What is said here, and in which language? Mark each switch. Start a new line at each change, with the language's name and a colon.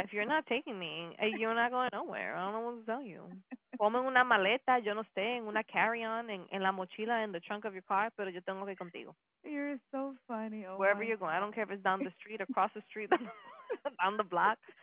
English: If you're not taking me, you're not going nowhere. I don't know what to tell you.
Spanish: Ponme una maleta, yo no sé, en una carry-on, en la mochila,
English: in the trunk of your car,
Spanish: pero yo tengo que ir contigo.
English: You're so funny. Oh, wherever you're going. I don't care if it's down the street, across the street, down the block.